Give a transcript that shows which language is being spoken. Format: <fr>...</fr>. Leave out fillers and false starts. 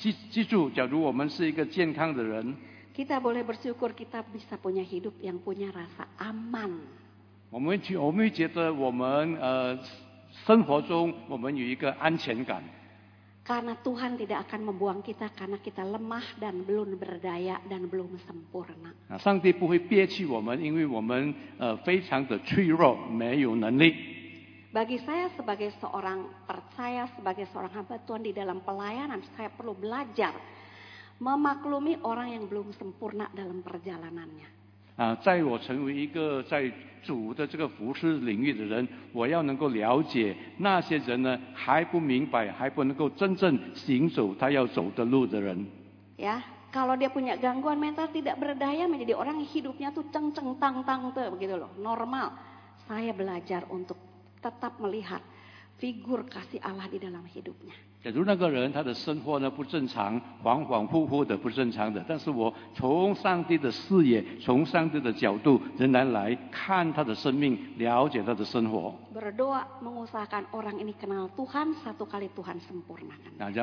<zh>记住， 假如我们是一个健康的人，</zh> <id>kita boleh bersyukur kita bisa punya hidup yang punya rasa aman.</id> <zh>我们觉得我们, 生活中我们有一个安全感。</zh> <id>Karena Tuhan tidak akan membuang kita karena kita lemah dan belum berdaya dan belum sempurna.</id> <zh>上帝不会憋弃我们, 因为我们, 非常的脆弱, 没有能力。</zh> <id>Bagi saya sebagai seorang percaya, sebagai seorang hamba Tuhan di dalam pelayanan, saya perlu belajar memaklumi orang yang belum sempurna dalam perjalanannya.</id> <zh>啊, 在我成为一个在主的这个服事领域的人, 我要能够了解那些人呢, 还不明白, 还不能够真正行走他要走的路的人。</zh> <id>Ya, kalau dia punya gangguan mental, tidak berdaya menjadi orang hidupnya tuh ceng-ceng tang-tang tuh, begitu loh, normal. Saya belajar untuk tetap melihat figur kasih Allah di dalam hidupnya.</id> <zh>假如那个人他的生活呢不正常，恍恍惚惚的不正常的，但是我从上帝的视野，从上帝的角度，仍然来看他的生命，了解他的生活。</zh> <id>Berdoa mengusahakan orang ini kenal Tuhan, satu kali Tuhan sempurnakan.</id>